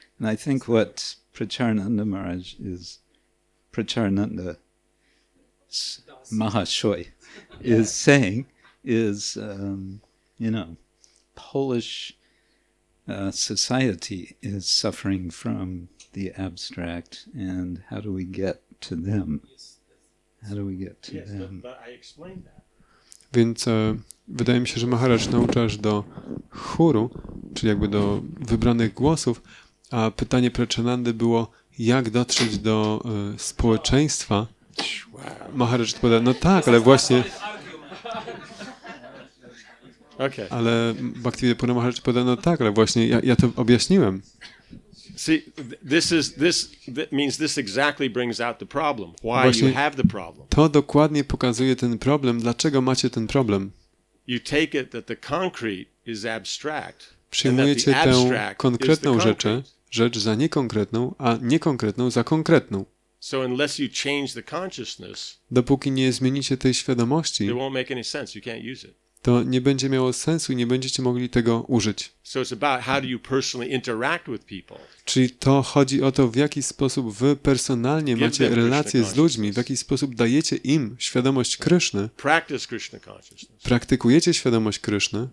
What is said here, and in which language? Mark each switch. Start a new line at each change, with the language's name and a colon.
English: And I think what Pracharananda Maharaj is, Pracharananda Mahashoy is saying is, you know, Polish society is suffering from the abstract, and how do we get to them? How do we get to them? But I explained that.
Polish: Więc wydaje mi się, że Maharaj nauczasz do chóru, czyli jakby do wybranych głosów, a pytanie Pracharanandy było, jak dotrzeć do społeczeństwa. Maharaj odpowiada, no tak, ale właśnie...
English: Okay.
Polish: Ale Bhaktivedanta Purna Maharaj powiedział, no tak, ale właśnie ja to objaśniłem.
English: See, this means this exactly brings out the problem. Why you have the problem?
Polish: To dokładnie pokazuje ten problem, dlaczego macie ten problem.
English: You take it that the concrete is abstract.
Polish: Przyjmujecie tę konkretną rzecz za niekonkretną, a niekonkretną za konkretną.
English: So unless you change the consciousness,
Polish: dopóki nie zmienicie tej świadomości,
English: it won't make any sense. You can't use it.
Polish: To nie będzie miało sensu i nie będziecie mogli tego użyć.
English: So it's about how do you personally interact with people.
Polish: Czyli to chodzi o to, w jaki sposób wy personalnie
English: give
Polish: macie relacje z ludźmi, w jaki sposób dajecie im świadomość Kryszny.
English: Practice Krishna consciousness.
Polish: Praktykujecie świadomość Kryszny.